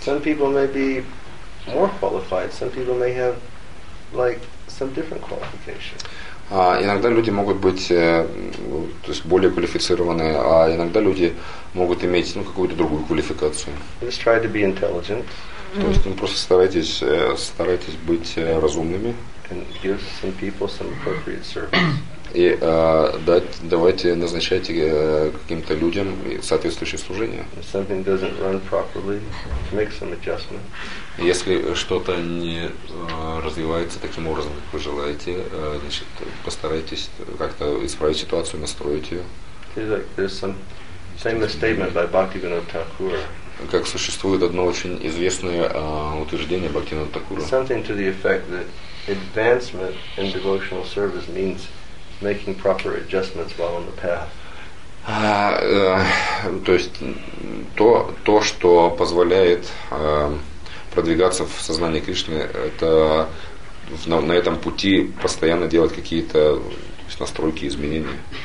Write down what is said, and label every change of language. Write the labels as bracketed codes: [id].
[en] Some people may be more qualified, some people may have like some different qualifications. [ru] Иногда люди могут быть то есть более квалифицированные, а иногда люди могут иметь какую-то другую квалификацию. [en] Just try to be intelligent. [ru] То есть просто старайтесь быть разумными. [en] And give some people some appropriate service. [ru] И давайте назначайте каким-то людям соответствующее служение. [en] Something doesn't run properly, make some adjustment. [ru] Если что-то не развивается таким образом, как вы желаете, значит, постарайтесь как-то исправить ситуацию, настроить ее. [en] There's some famous statement by Bhaktivinoda Thakur. [ru] Как существует одно очень известное утверждение Бхактивинода Такура. [en] Something to the effect that advancement in devotional service means making proper adjustments while on the path. [ru] То есть то, что позволяет продвигаться в сознании Кришны, это на этом пути постоянно делать какие-то настройки, изменения.